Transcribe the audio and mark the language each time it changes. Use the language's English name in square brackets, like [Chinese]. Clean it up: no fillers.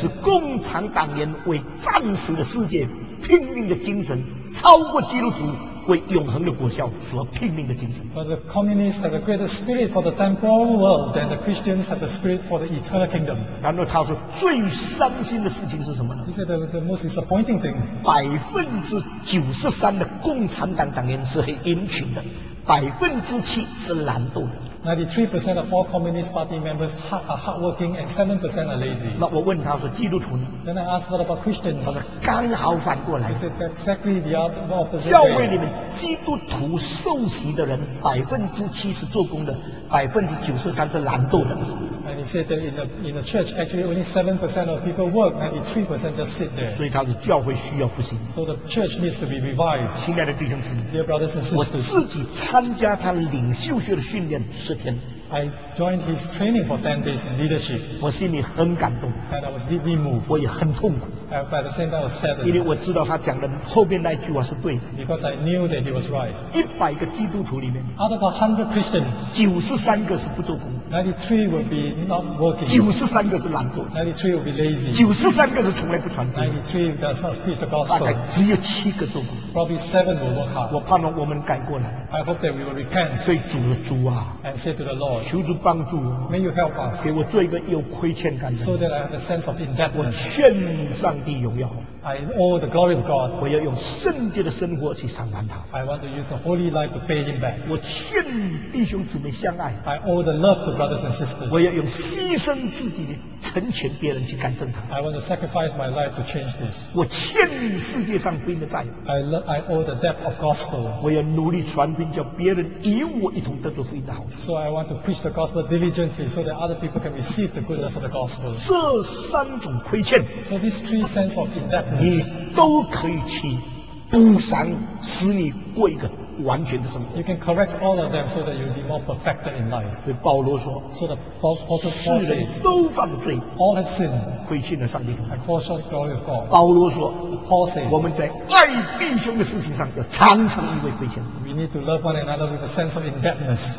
[Chinese] 是共产党员为暂时的世界拼命的精神超过基督徒。为永恒的国效所拼命的精神。 [English] But the communists have a greater spirit for the temporal world than the Christians have the spirit for the eternal kingdom. [Chinese] 然后他说最伤心的事情是什么呢 [English] ？He said the most disappointing thing. [Chinese] 93%的共产党党员是很殷勤的，7%是懒惰的。 [English] 93% of all Communist Party members are hardworking and 7% are lazy. [Chinese] 那我问他说基督徒呢 [English] ？Then I asked what about Christians? [Chinese] 他说刚好反过来。 [English] He said exactly the opposite. [Chinese] 教会里面基督徒受洗的人7%是做工的，93%是懒惰的。 [English] And he said that in the church, actually only 7% of people work, 93% just sit there. [Chinese] 所以他说教会需要复兴。 [English] So the church needs to be revived. [Chinese] 亲爱的弟兄姊妹 [English] ，Dear brothers and sisters, [Chinese] 我自己参加他领袖学的训练10天。 [English] I joined his training for 10 days in leadership. [Chinese] 我心里很感动。 [English] And I was deeply moved. [Chinese] 我也很痛苦。 [English] And by the same time, I was saddened. [Chinese] 因为我知道他讲的后面那句话是对的。 [English] Because I knew that he was right. [Chinese] 100个基督徒里面 [English] ，out of 100 Christians, [Chinese] 93个是不做工。 [English] 93 will be not working. [Chinese] 93个是懒惰。 [English] 93 will be lazy. [Chinese] 93个是从来不传福音。 [English] 93 does not preach the gospel. [Chinese] 大概只有7个做工。 [English] Probably 7 will work hard. [Chinese] 我盼望我们改过来。 [English] I hope that we will repent. [Chinese] 对主的主啊 [English] ，and say to the Lord. [Chinese] 求主帮助我 [English] ，May you help us. [Chinese] 给我做一个有亏欠感的 [English] ，so that I have a sense of indebtedness. [Chinese] 我欠上帝荣耀。 [English] I owe the glory of God. [Chinese] 我要用圣洁的生活去偿还他。 [English] I want to use a holy life to pay him back. [Chinese] 我欠弟兄姊妹相爱。 [English] I owe the love to brothers and sisters. [Chinese] 我要用牺牲自己成全别人去改正他。 [English] I want to sacrifice my life to change this. [Chinese] 我欠世界上福音的债。 [English] I owe the debt of gospel. [Chinese] 我要努力传福音，叫别人与我一同得着福音的好处。 [English] So I want to preach the gospel diligently, so that other people can receive the goodness of the gospel. [Chinese] 这三种亏欠。 [English] So these three sense of indebtedness. [Chinese] 你都可以去补偿，使你过一个完全的生活。 [English] You can correct all of them so that you'll be more perfected in life. [Chinese] 所以保罗说 [English] ，So the Apostle Paul says, [Chinese] 世人都犯了罪 [English] ，All have sinned, [Chinese] 亏欠了上帝的。 [English] And fall short of the glory of God. [Chinese] 保罗说 [English] ，Paul says, [Chinese] 我们在爱弟兄的事情上要常常意味亏欠。 [English] We need to love one another with a sense of indebtedness.